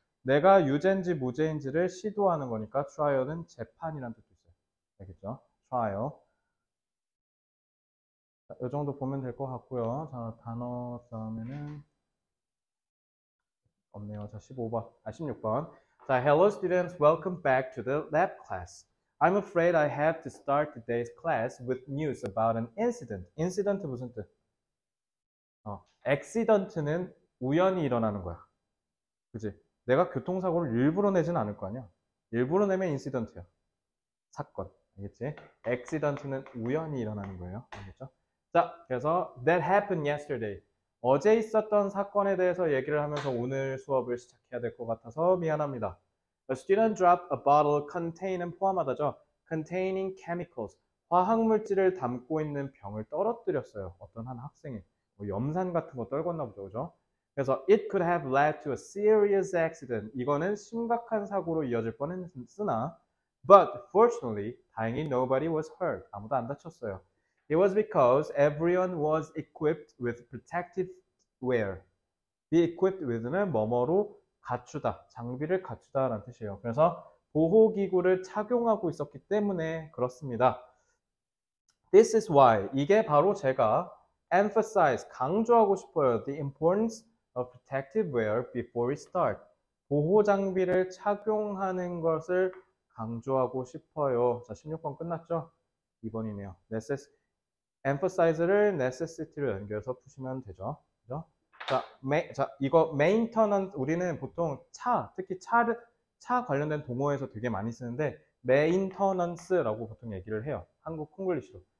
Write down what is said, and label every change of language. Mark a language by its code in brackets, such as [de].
[ko] 내가 유죄인지 무죄인지를 시도하는 거니까 트라이얼은 재판이라는 뜻도 있어요. 알겠죠? 트라이얼. 이 정도 보면 될것 같고요. 자, 단어 다음에는 없네요. 자, 15번, 아, 16번. 자, [en] Hello, students. Welcome back to the lab class. I'm afraid I have to start today's class with news about an incident. [ko] Incident 무슨 뜻? Accident는 우연히 일어나는 거야. 그지? 내가 교통사고를 일부러 내진 않을 거 아니야. 일부러 내면 incident야. 사건. 알겠지? Accident는 우연히 일어나는 거예요. 알겠죠? 자, 그래서 [en] that happened yesterday. [ko] 어제 있었던 사건에 대해서 얘기를 하면서 오늘 수업을 시작해야 될것 같아서 미안합니다. [en] A student dropped a bottle containing [ko] 포함하다죠? [en] Containing chemicals. [ko] 화학물질을 담고 있는 병을 떨어뜨렸어요. 어떤 한 학생이. 뭐 염산 같은 거 떨궜나 보죠, 그죠? 그래서 [en] it could have led to a serious accident. [ko] 이거는 심각한 사고로 이어질 뻔했으나, [en] but fortunately, [ko] 다행히 [en] nobody was hurt. [ko] 아무도 안 다쳤어요. [en] It was because everyone was equipped with protective wear. Be equipped with [ko] 는 뭐뭐로 갖추다, 장비를 갖추다라는 뜻이에요. 그래서 보호기구를 착용하고 있었기 때문에 그렇습니다. [en] This is why, [ko] 이게 바로 제가 emphasize, 강조하고 싶어요. [en] The importance of protective wear before we start. [ko] 보호장비를 착용하는 것을 강조하고 싶어요. 자, 16번 끝났죠? 2번이네요. emphasize를 necessity로 연결해서 푸시면 되죠. 그죠? 자, 이거 maintenance 우리는 보통 차, 특히 차를 차 관련된 동호회에서 되게 많이 쓰는데 maintenance라고 보통 얘기를 해요. 한국 콩글리시로.